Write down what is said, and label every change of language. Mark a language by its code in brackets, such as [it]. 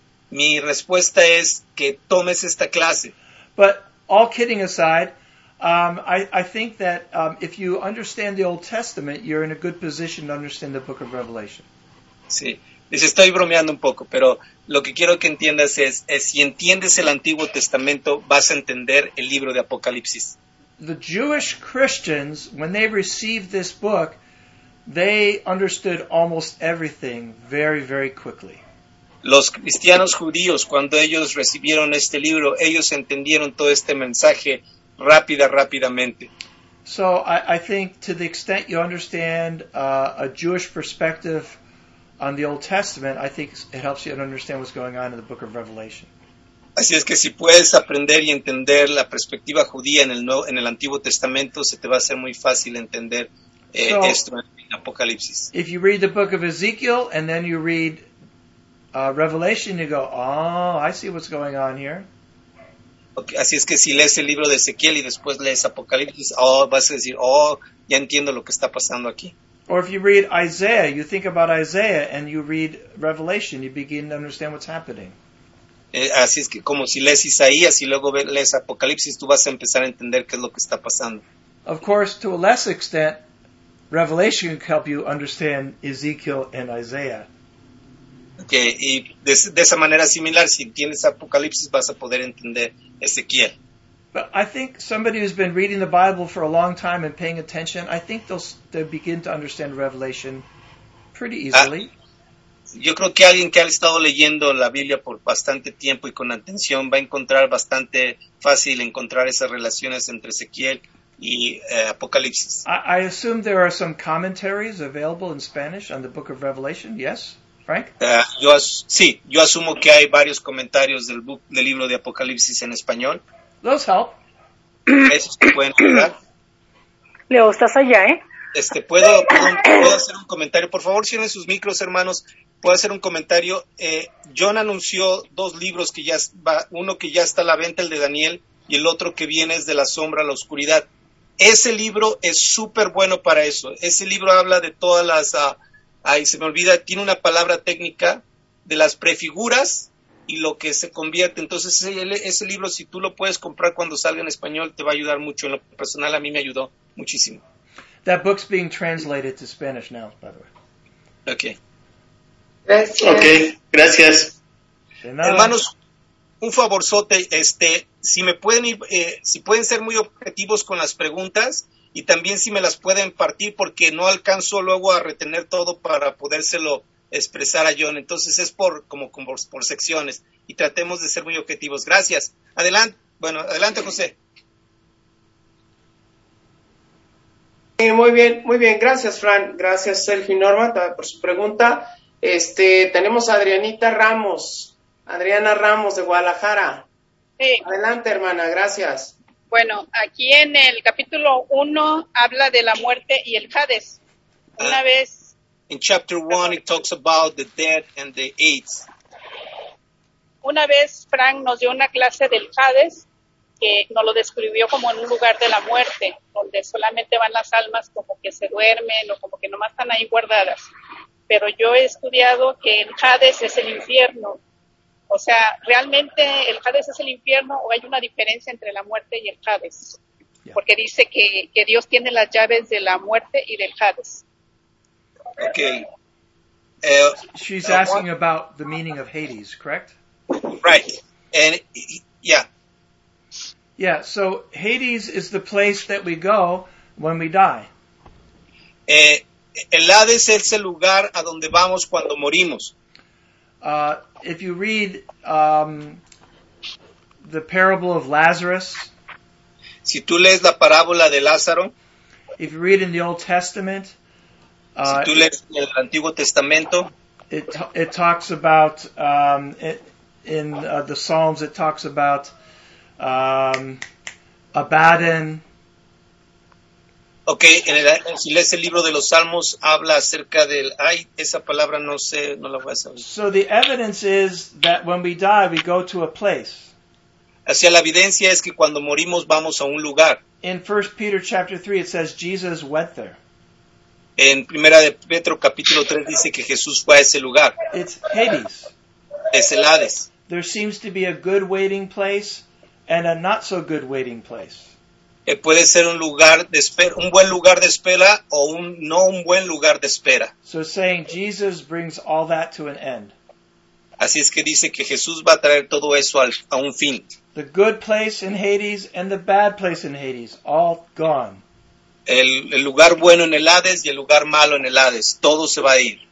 [es] Mi respuesta es que tomes esta clase. [en] But all kidding aside... I think that if you understand the Old Testament, you're in a good position to understand the Book of Revelation. [es] Sí, les estoy bromeando un poco, pero lo que quiero que entiendas es si entiendes el Antiguo Testamento, vas a entender el libro de Apocalipsis. [en] The Jewish Christians, when they received this book, they understood almost everything very, very quickly. [es] Los cristianos judíos, cuando ellos recibieron este libro, ellos entendieron todo este mensaje. Rápidamente. [en] So I think to the extent you understand a Jewish perspective on the Old Testament, I think it helps you to understand what's going on in the Book of Revelation. [es] Así es que si puedes aprender y entender la perspectiva judía en el Antiguo Testamento, se te va a hacer muy fácil entender esto en Apocalipsis. [en] If you read the Book of Ezekiel and then you read Revelation, you go, oh, I see what's going on here. [es] Okay, así es que si lees el libro de Ezequiel y después lees Apocalipsis, oh, vas a decir, oh, ya entiendo lo que está pasando aquí. [en] Or if you read Isaiah, you think about Isaiah and you read Revelation, you begin to understand what's happening. [es] Así es que como si lees Isaías y luego lees Apocalipsis, tú vas a empezar a entender qué es lo que está pasando. [en] Of course, to a less extent, Revelation can help you understand Ezekiel and Isaiah. [es] Okay, y de esa manera similar, si tienes Apocalipsis, vas a poder entender Ezequiel. [en] But I think somebody who's been reading the Bible for a long time and paying attention, I think they'll begin to understand Revelation pretty easily. [es] Yo creo que alguien que ha estado leyendo la Biblia por bastante tiempo y con atención va a encontrar bastante fácil encontrar esas relaciones entre Ezequiel y Apocalipsis. [en] I assume there are some commentaries available in Spanish on the Book of Revelation, yes? Frank? [es] Yo asumo que hay varios comentarios del libro de Apocalipsis en español. [en] Those help. [es] Esos que pueden ayudar. Leo, estás allá, ¿eh? ¿Puedo hacer un comentario? Por favor, cierren sus micros, hermanos. ¿Puedo hacer un comentario? John anunció dos libros que ya va, uno que ya está a la venta, el de Daniel, y el otro que viene es De la Sombra a la Oscuridad. Ese libro es súper bueno para eso. Ese libro habla de todas las... Ay, se me olvida, tiene una palabra técnica de las prefiguras y lo que se convierte. Entonces, ese libro, si tú lo puedes comprar cuando salga en español, te va a ayudar mucho. En lo personal, a mí me ayudó muchísimo. [en] That book's being translated to Spanish now, by the way. Okay. [es] Gracias. Okay, gracias. Hermanos, un favorzote, si me pueden ir, si pueden ser muy objetivos con las preguntas, y también si me las pueden partir porque no alcanzo luego a retener todo para podérselo expresar a John. Entonces es por secciones y tratemos de ser muy objetivos. Gracias. Adelante. Bueno, adelante, José. Muy bien, gracias Fran, gracias Sergio y Norma por su pregunta. Tenemos a Adrianita Ramos, Adriana Ramos de Guadalajara. Sí. Adelante, hermana, gracias. Bueno, aquí en el capítulo 1 habla de la muerte y el Hades. Una vez. [en] In chapter 1 it talks about the dead and the AIDS. [es] Una vez Frank nos dio una clase del Hades que nos lo describió como en un lugar de la muerte, donde solamente van las almas como que se duermen o como que nomás están ahí guardadas. Pero yo he estudiado que el Hades es el infierno. O sea, ¿realmente el Hades es el infierno o hay una diferencia entre la muerte y el Hades? Porque dice que Dios tiene las llaves de la muerte y del Hades. Okay. [en] She's asking about the meaning of Hades, correct? Right. And, yeah. Yeah, so Hades is the place that we go when we die. [es] El Hades es el lugar a donde vamos cuando morimos. [en] If you read the parable of Lazarus, [es] si tú lees la parábola de Lázaro, [en] if you read in the Old Testament, [es] si tú lees el Antiguo Testamento, [en] it talks about the Psalms. It talks about Abaddon. [es] Okay, en el, si lees el libro de los Salmos, habla acerca del, ay, esa palabra no sé, no la voy a saber. [en] So the evidence is that when we die, we go to a place. [es] Así la evidencia es que cuando morimos vamos a un lugar. [en] In 1 Peter chapter 3, it says Jesus went there. [es] En Primera de Pedro capítulo 3 dice que Jesús fue a ese lugar. [en] It's Hades. [es] Es el Hades. [en] There seems to be a good waiting place and a not so good waiting place. [es] Puede ser un lugar de espera, un buen lugar de espera o un no un buen lugar de espera. [en] So saying Jesus brings all that to an end. [es] Así es que dice que Jesús va a traer todo eso al, a un fin. [en] The good place in Hades and the bad place in Hades, all gone. [es] El lugar bueno en el Hades y el lugar malo en el Hades, todo se va a ir.